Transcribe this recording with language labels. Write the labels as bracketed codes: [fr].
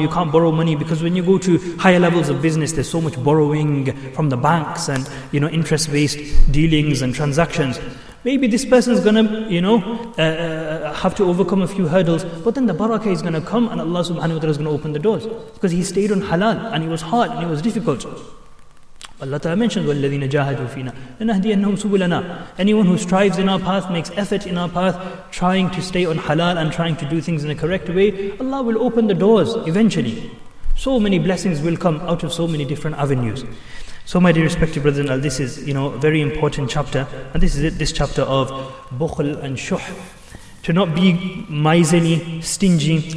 [en] You can't borrow money because when you go to higher levels of business, there's so much borrowing from the banks and, you know, interest-based dealings and transactions. Maybe this person's going to, you know, have to overcome a few hurdles, but then the barakah is going to come and Allah subhanahu wa ta'ala is going to open the doors because he stayed on halal and it was hard and it was difficult. Allah Ta'ala mentions, [ar] وَالَّذِينَ جَاهَدُوا فِينَا لَنَهْدِيَنَّهُمْ سُبُلَنَا. [en] Anyone who strives in our path, makes effort in our path, trying to stay on halal and trying to do things in a correct way, Allah will open the doors eventually. So many blessings will come out of so many different avenues. So my dear respected brethren, this is, you know, a very important chapter. And this is it, this chapter of bukhl and shuh. To not be miserly, stingy.